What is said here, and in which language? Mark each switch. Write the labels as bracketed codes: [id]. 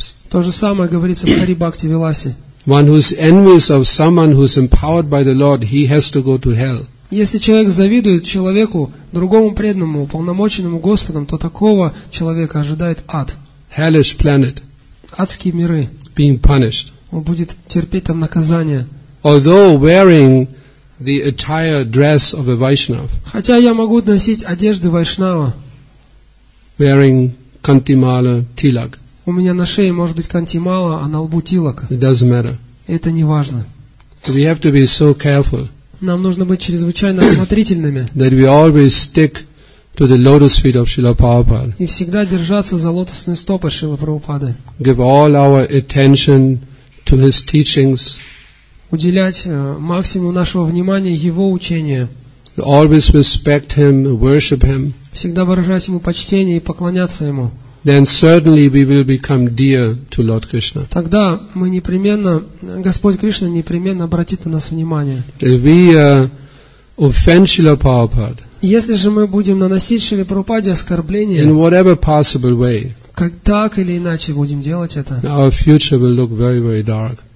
[ru] То же самое говорится в Хари Бхакти Виласе. [en] One who is envious of someone who is empowered by the Lord, he has to go to hell. [ru] Если человек завидует человеку, другому преданному, уполномоченному Господом, то такого человека ожидает ад. [en] Hellish planet. [ru] Адские миры. [en] Being punished. [ru] Он будет терпеть там наказание. [en] Although wearing the attire dress of a Vaishnav. [ru] Хотя я могу носить одежды Вайшнава. [en] Wearing кантимала тилак. [ru] У меня на шее может быть кантимала, а на лбу тилак. [en] It doesn't matter. [ru] Это не важно. [en] We have to be so careful. [ru] Нам нужно быть чрезвычайно осмотрительными. [en] That we always stick to the lotus feet of Srila Prabhupada. [ru] И всегда держаться за лотосные стопы Шрилы Прабхупады. [en] Give all our attention to his teachings. [ru] Уделять максимум нашего внимания его учению. [en] Always respect him, worship him. [ru] Всегда выражать ему почтение и поклоняться ему. [en] Then certainly we will become dear to Lord Krishna. [ru] Тогда мы непременно, Господь Кришна непременно обратит на нас внимание. [en] If we offend Srila Prabhupada. [ru] Если же мы будем наносить Шриле Прабхупаде оскорбления, [en] in whatever possible way, [ru] как так или иначе будем делать это, [en] our future will look very, very dark.